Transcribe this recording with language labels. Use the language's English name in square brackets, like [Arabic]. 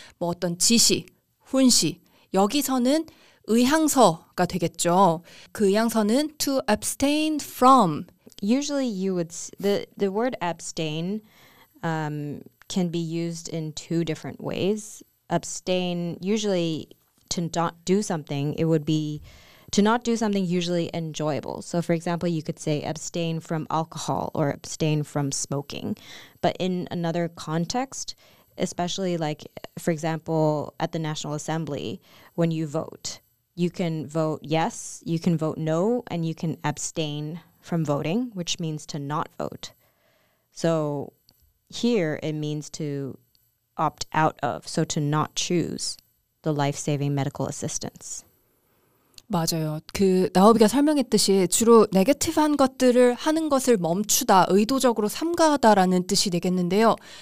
[Korean] 뭐 어떤 지시, 훈시, 여기서는 의향서가 되겠죠. 그 의향서는 [English] to abstain from. Usually you would, the word abstain can be used in two different ways. Abstain, usually to not do something, it would be to not do something usually enjoyable. So for example, you could say abstain from alcohol or abstain from smoking. But in another context, especially like, for example, at the National Assembly, when you vote, you can vote yes, you can vote no, and you can abstain from voting, which means to not vote. So here it means to opt out of, so to not choose the life-saving medical assistance. [Korean] 맞아요. 그 나오비가 설명했듯이 주로 네거티브한 것들을 하는 것을 멈추다, 의도적으로 삼가하다라는 뜻이 되겠는데요.